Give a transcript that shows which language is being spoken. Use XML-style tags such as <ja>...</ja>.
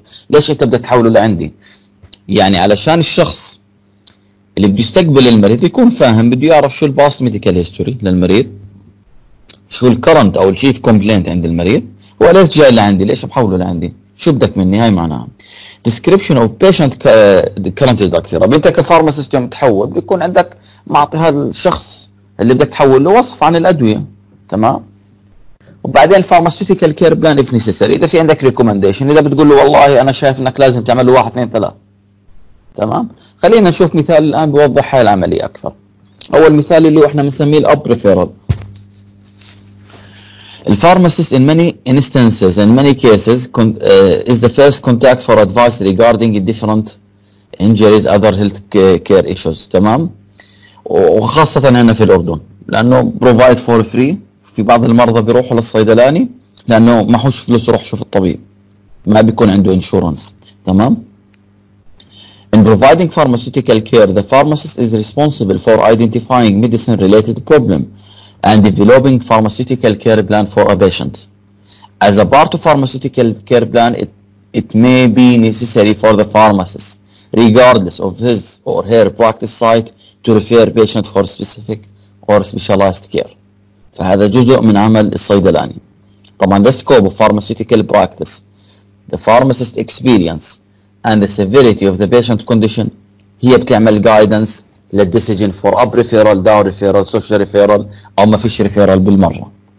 <ar>ليش انت بدك تحوله لعندي؟ يعني علشان الشخص اللي بده يستقبل المريض يكون فاهم، بده يعرف شو الباست ميديكال هيستوري للمريض، شو الكرنت او التشيف كومبلينت عند المريض، هو ليش جاي لعندي، ليش بحوله لعندي، شو بدك مني.</ar> <en>هاي معناها description of patient current doctor.</en> <ar>طب انت كفارماسيست يوم تحول بيكون عندك معطي هذا الشخص اللي بدك تحول له وصف عن الادوية. تمام. وبعدين pharmaceutical care plan if necessary، اذا في عندك recommendation، اذا بتقول له والله انا شايف انك لازم تعمل له 1-2-3. تمام. خلينا نشوف مثال الان بوضح هاي العملية اكثر. اول مثال اللي احنا بنسميه الاب ريفيرال.</ar> <en>The pharmacist in many instances, in many cases, is the first contact for advice regarding different injuries, other health care issues.</en> <ar>تمام. وخاصة هنا في الأردن لأنه provide for free. في بعض المرضى بيروحوا للصيدلاني لأنه ما حوش فلوس يروح يشوف الطبيب، ما بيكون عنده insurance. تمام.</ar> <en>In providing pharmaceutical care, the pharmacist is responsible for identifying medicine-related problem and developing pharmaceutical care plan for a patient. As a part of pharmaceutical care plan, it may be necessary for the pharmacist, regardless of his or her practice site, to refer patient for specific or specialized care.</en> <ar>فهذا جزء من عمل الصيدلاني. طبعا the scope of pharmaceutical practice, the pharmacist experience and the severity of the patient condition, هي بتعمل guidance للديسيجن فور اب ريفيرال داون ريفيرال سوشيال ريفيرال او ما فيش ريفيرال بالمره.</ar>